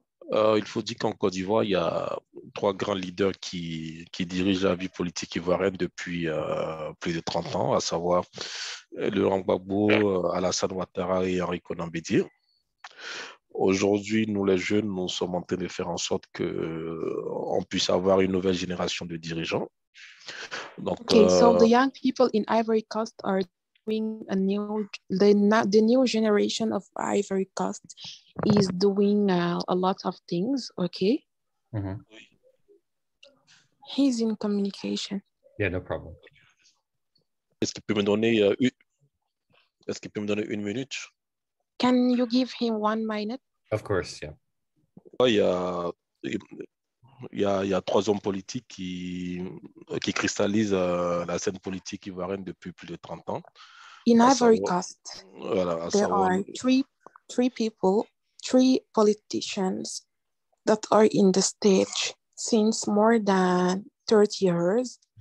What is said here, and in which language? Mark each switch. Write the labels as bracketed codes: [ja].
[fr] Il faut dire qu'en Côte d'Ivoire, il y a trois grands leaders qui dirigent la vie politique ivoirienne depuis plus de 30 ans, à savoir Laurent Gbagbo, Alassane Ouattara et Henri Konan Bédié. Aujourd'hui, nous les jeunes, nous sommes en train de faire en sorte qu'on puisse avoir une nouvelle génération de dirigeants. Donc, [en] okay, so the young people in Ivory Coast are doing a new, the new generation of Ivory Coast is doing a lot of things, okay? Mm-hmm. He's in communication. Yeah, no problem. [fr] Est-ce qu'il peut me donner une minute? [en] Can you give him 1 minute? Of course, yeah. [fr] Il y a trois hommes politiques qui cristallisent la scène politique ivoirienne depuis plus de 30 ans. [en] In Ivory Coast, are three people, three politicians that are in the stage since more than 30 years.